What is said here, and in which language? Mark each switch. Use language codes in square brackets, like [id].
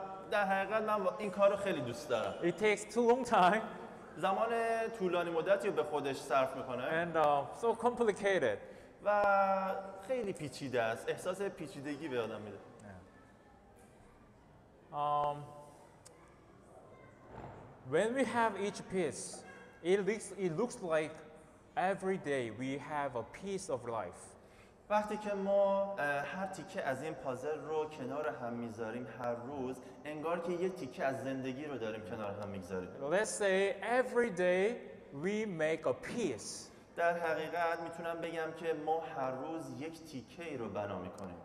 [fa] در حقیقت من این کارو خیلی دوست دارم. [en] It takes too long time. [fa] زمان طولانی مدتی رو به خودش صرف میکنه. [en] And so complicated. [fa] و خیلی پیچیده است. احساس پیچیدگی به آدم میده. [en] When we have each piece, it looks like every day we have a piece of life. [fa] وقتی که ما هر تیکه از این پازل رو کنار هم میذاریم هر روز انگار که یه تیکه از زندگی رو داریم کنار هم میذاریم. [en] Let's say every day we make a piece. [fa] در حقیقت میتونم بگم که ما هر روز یک تیکه رو بنا میکنیم.